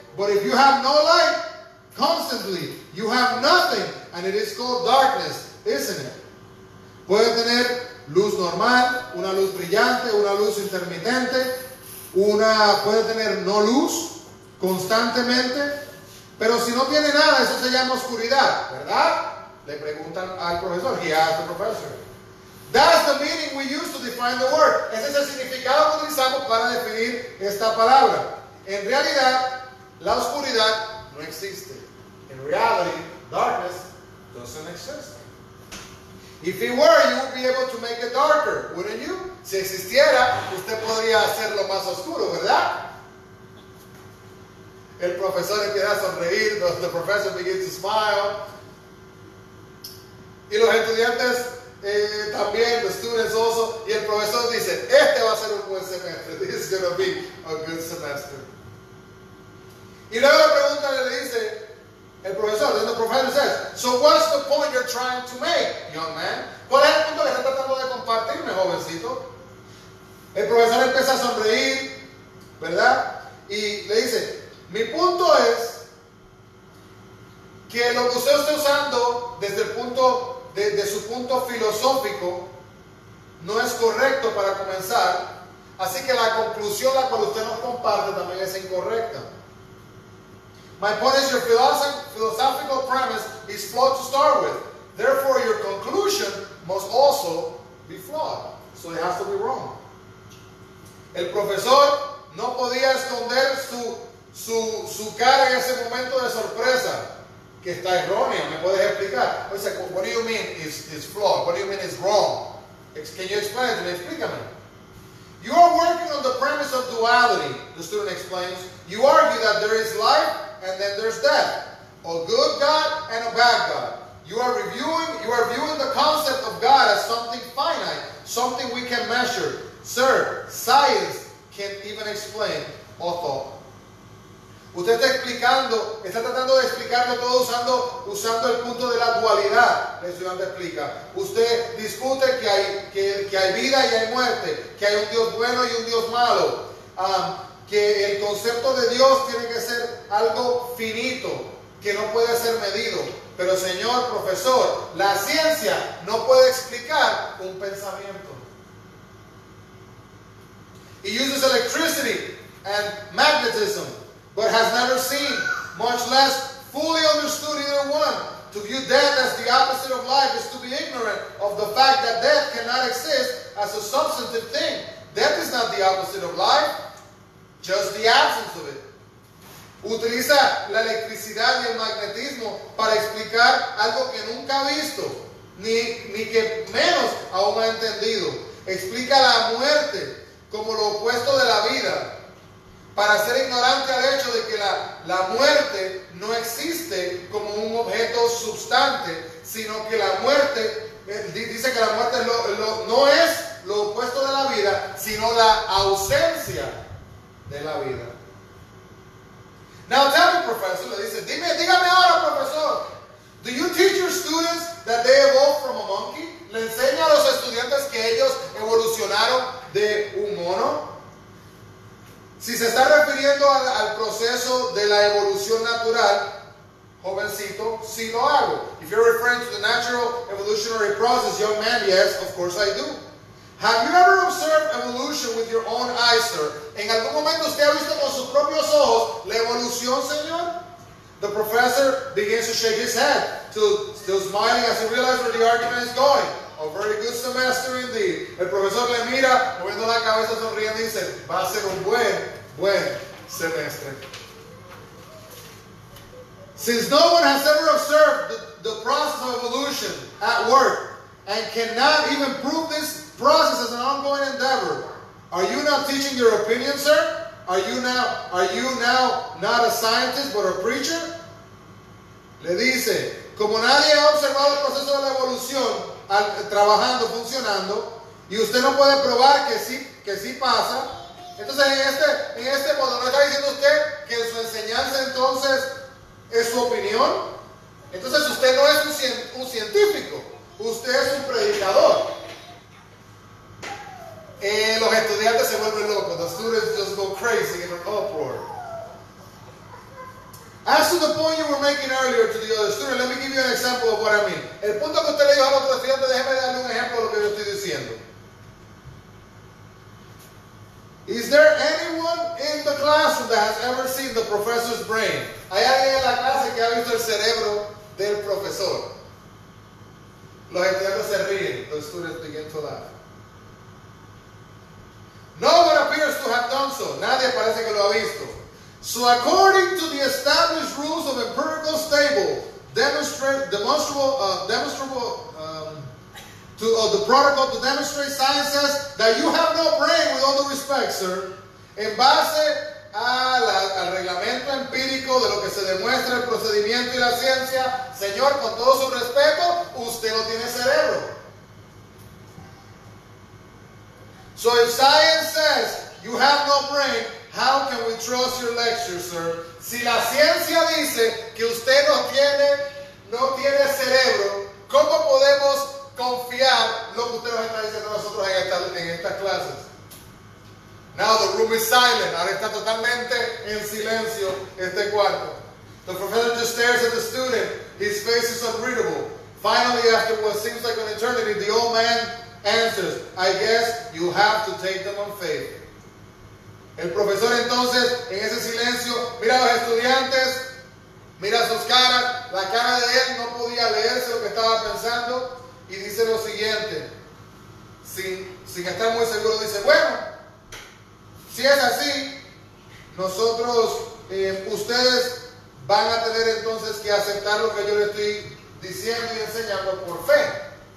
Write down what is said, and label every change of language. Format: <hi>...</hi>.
<en>But if you have no light constantly, you have nothing, and it is called darkness, isn't it?</en> <es>Puede tener luz normal, una luz brillante, una luz intermitente, puede tener no luz constantemente, pero si no tiene nada, eso se llama oscuridad, ¿verdad? Le preguntan al profesor.</es> <en>He asked the professor. That's the meaning we use to define the word.</en> <es>Ese es el significado que utilizamos para definir esta palabra. En realidad, la oscuridad no existe.</es> <en>In reality, darkness doesn't exist. If it were, you would be able to make it darker, wouldn't you?</en> <es>Si existiera, usted podría hacerlo más oscuro, ¿verdad? El profesor empieza a sonreír.</es> <en>The professor begins to smile.</en> <es>Y los estudiantes también,</es> <en>the students also.</en> <es>Y el profesor dice, este va a ser un buen semestre.</es> <en>This is going to be a good semester.</en> <es>Y luego la pregunta le dice el profesor,</es> <en>then the professor says, so what's the point you're trying to make, young man?</en> <es>¿Cuál es el punto que está tratando de compartirme, jovencito? El profesor empieza a sonreír, ¿verdad? Y le dice, mi punto es que lo que usted está usando desde el punto, desde su punto filosófico, no es correcto para comenzar, así que la conclusión la cual usted nos comparte también es incorrecta.</es> <en>My point is your philosophical premise is flawed to start with. Therefore, your conclusion must also be flawed. So it has to be wrong.</en> <es>El profesor no podía esconder su cara en ese momento de sorpresa. Que está errónea. ¿Me puedes explicar? O sea,</es> <en>what do you mean is flawed? What do you mean is wrong? Can you explain it to me?</en> <es>Explícame.</es> <en>You are working on the premise of duality, the student explains. You argue that there is life and then there's death. A good God and a bad God. You are viewing the concept of God as something finite, something we can measure. Sir, science can't even explain all thought.</en> <es>Usted está tratando de explicarlo todo usando el punto de la dualidad. El estudiante explica. Usted discute que hay vida y hay muerte, que hay un Dios bueno y un Dios malo, que el concepto de Dios tiene que ser algo finito, que no puede ser medido. Pero señor profesor, la ciencia no puede explicar un pensamiento.</es> <en>He uses electricity and magnetism, but has never seen, much less fully understood either one. To view death as the opposite of life is to be ignorant of the fact that death cannot exist as a substantive thing. Death is not the opposite of life, just the absence of it.</en> <es>Utiliza la electricidad y el magnetismo para explicar algo que nunca ha visto, ni que menos aún ha entendido. Explica la muerte como lo opuesto de la vida, para ser ignorante al hecho de que la muerte no existe como un objeto substante, sino que la muerte, dice que la muerte no es lo opuesto de la vida, sino la ausencia de la vida.</es> <en>Now tell me, professor,</en> <es>le dice, dígame ahora, profesor,</es> <en>do you teach your students that they evolved from a monkey?</en> <es>¿Le enseña a los estudiantes que ellos evolucionaron de un mono? Si se está refiriendo al proceso de la evolución natural, jovencito, sí lo hago.</es> <en>If you're referring to the natural evolutionary process, young man, yes, of course I do. Have you ever observed evolution with your own eyes, sir?</en> <es>¿En algún momento usted ha visto con sus propios ojos la evolución, señor?</es> <en>The professor begins to shake his head, still smiling as he realizes where the argument is going. A very good semester indeed.</en> <es>El profesor le mira, moviendo la cabeza, sonriendo, y dice, va a ser un buen semestre.</es> <en>Since no one has ever observed the process of evolution at work, and cannot even prove this process as an ongoing endeavor, are you now teaching your opinion, sir? Are you now not a scientist, but a preacher?</en> <es>Le dice, como nadie ha observado el proceso de la evolución, trabajando, funcionando, y usted no puede probar que sí pasa. Entonces en este modo no está diciendo usted que su enseñanza entonces es su opinión. Entonces usted no es un científico, usted es un predicador. Los estudiantes se vuelven locos.</es> <en>The students just go crazy in an uproar. As to the point you were making earlier to the other student, let me give you an example of what I mean.</en> <es>El punto que usted le dijo al otro estudiante, déjeme darle un ejemplo de lo que yo estoy diciendo.</es> <en>Is there anyone in the classroom that has ever seen the professor's brain?</en> <es>¿Hay alguien en la clase que ha visto el cerebro del profesor? Los estudiantes se ríen.</es> <en>The students begin to laugh. No one appears to have done so.</en> <es>Nadie parece que lo ha visto.</es> <en>So according to the established rules of empirical stable, the protocol to demonstrate science says that you have no brain, with all due respect, sir.</en> <es>En base al reglamento empírico de lo que se demuestra el procedimiento y la ciencia, señor, con todo su respeto, usted no tiene cerebro.</es> <en>So if science says you have no brain, how can we trust your lecture, sir?</en> <es>Si la ciencia dice que usted no tiene cerebro, ¿cómo podemos confiar lo que usted nos está diciendo a nosotros en estas clases?</es> <en>Now the room is silent.</en> <es>Ahora está totalmente en silencio este cuarto.</es> <en>The professor just stares at the student. His face is unreadable. Finally, after what seems like an eternity, the old man answers, I guess you have to take them on faith.</en> <es>El profesor entonces, en ese silencio, mira a los estudiantes, mira sus caras, la cara de él no podía leerse lo que estaba pensando, y dice lo siguiente, sin estar muy seguro, dice, bueno, si es así, nosotros, ustedes van a tener entonces que aceptar lo que yo le estoy diciendo y enseñando por fe.</es>